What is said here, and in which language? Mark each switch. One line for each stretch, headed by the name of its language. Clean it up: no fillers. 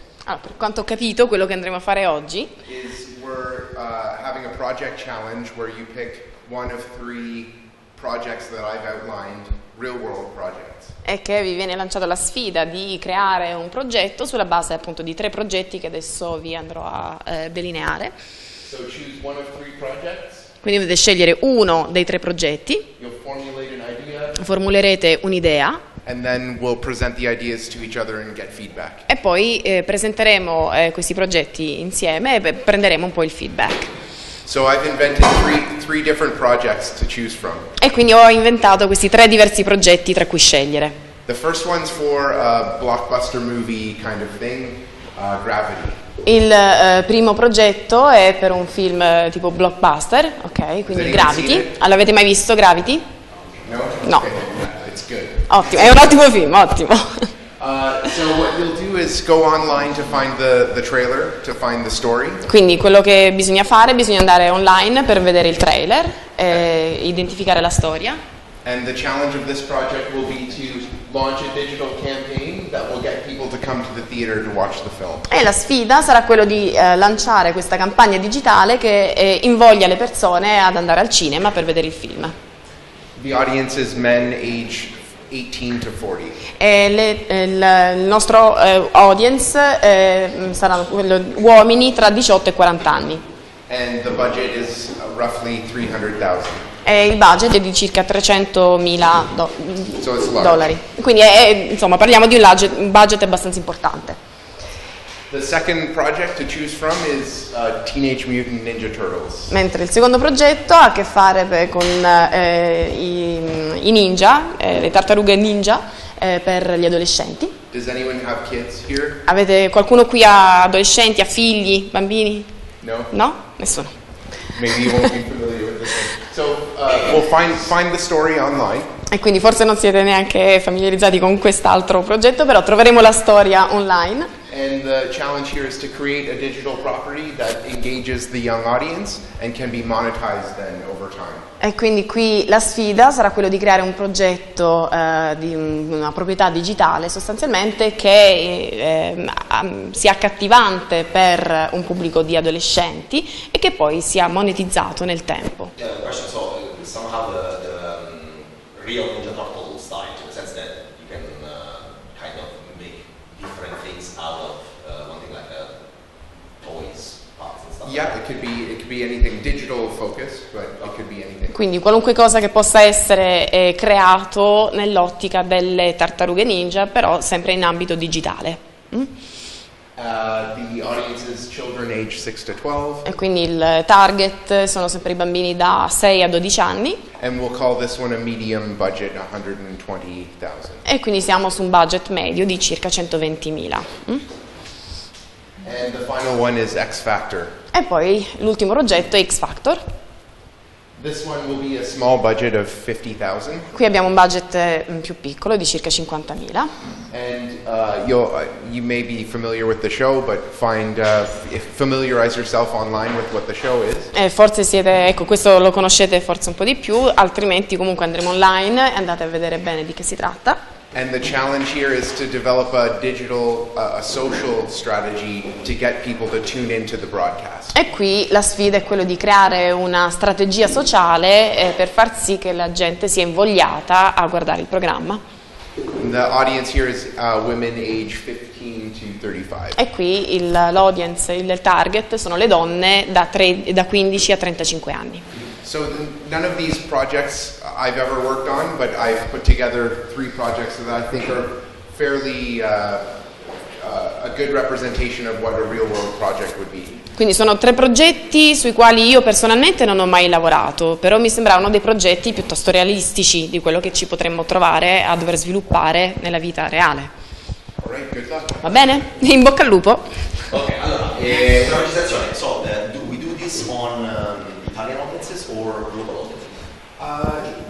Italian: allora, per quanto ho capito, quello che andremo a fare oggi
English: is we're having a project challenge where you pick one of three projects that I've outlined, real world projects.
Italian: È che vi viene lanciata la sfida di creare un progetto sulla base appunto di tre progetti che adesso vi andrò a delineare.
English: So choose one of three projects.
Italian: Quindi dovete scegliere uno dei tre progetti.
English: You'll formulate an idea.
Italian: Formulerete un'idea
English: and then we'll present the ideas to each other and get feedback.
Italian: E poi presenteremo questi progetti insieme e prenderemo un po' il feedback.
English: So I've invented three different projects to choose from.
Italian: E quindi ho inventato questi tre diversi progetti tra cui scegliere.
English: The first one's for a blockbuster movie kind of thing, Gravity.
Italian: Il primo progetto è per un film tipo blockbuster, ok, quindi Gravity. L'avete mai visto Gravity? No. No.
English: Okay. It's good.
Italian: Ottimo, è un ottimo film, ottimo.
English: So what you'll do is go online to find the trailer, to find the story.
Italian: Quindi quello che bisogna fare, bisogna andare online per vedere il trailer e identificare la storia.
English: And the challenge of this project will be to launch a digital campaign that will get people to come to the theater to watch the film.
Italian: E la sfida sarà quello di lanciare questa campagna digitale che invoglia le persone ad andare al cinema per vedere il film.
English: The audience is men age 18 to 40.
Italian: Il nostro audience sarà uomini tra 18 e 40 anni.
English: And the budget is roughly 300,000.
Italian: E il budget è di circa 300.000
English: so
Italian: dollari. Quindi insomma, parliamo di un budget abbastanza importante.
English: The second project to choose from is Teenage Mutant Ninja Turtles.
Italian: Mentre il secondo progetto ha a che fare con i ninja, le tartarughe ninja per gli adolescenti.
English: Does anyone have kids here?
Italian: Avete qualcuno qui ha adolescenti, ha figli, bambini? No. No? Nessuno.
English: Maybe you won't be familiar with this one. So we'll find the story online.
Italian: E quindi forse non siete neanche familiarizzati con quest'altro progetto, però troveremo la storia online.
English: And the challenge here is to create a digital property that engages the young audience and can be monetized then over time.
Italian: E quindi qui la sfida sarà quello di creare un progetto di una proprietà digitale sostanzialmente che sia accattivante per un pubblico di adolescenti e che poi sia monetizzato nel tempo.
English: Yeah, the question, so somehow the real Ninja Turtles style, in the sense that you can kind of make different things out of one thing like toys, parts and stuff. Yeah, like that. It could be anything digital focused, but it could be anything.
Italian: Quindi qualunque cosa che possa essere creato nell'ottica delle tartarughe ninja, però sempre in ambito digitale.
English: The audience is children age 6 to 12.
Italian: E quindi il target sono sempre i bambini da 6 a 12 anni.
English: And we'll call this one a medium budget, 120,000.
Italian: E quindi siamo su un budget medio di circa 120,000.
English: And the final one is X Factor.
Italian: E poi l'ultimo progetto è X Factor.
English: This one will be a small budget of 50,000.
Italian: Qui abbiamo un budget più piccolo di circa 50,000.
English: And you may be familiar with the show, but familiarize yourself online with what the show is.
Italian: Forse siete, ecco, questo lo conoscete forse un po' di più, altrimenti comunque andremo online e andate a vedere bene di che si tratta.
English: And the challenge here is to develop a digital, a social strategy to get people to tune into the broadcast.
Italian: E qui la sfida è quello di creare una strategia sociale per far sì che la gente sia invogliata a guardare il programma.
English: And the audience here is women age 15 to 35.
Italian: E qui l'audience, il target, sono le donne da 15 a 35 anni.
English: So none of these projects I've ever worked on, but I've put together three projects that I think are fairly a good representation of what a real world project would be.
Italian: Quindi sono tre progetti sui quali io personalmente non ho mai lavorato, però mi sembravano dei progetti piuttosto realistici di quello che ci potremmo trovare a dover sviluppare nella vita reale.
English: All right, good luck.
Italian: Va bene? In bocca al lupo.
English: Ok,
Italian: allora, organizzazione.
English: So, do we do this on Italian audiences or global audiences?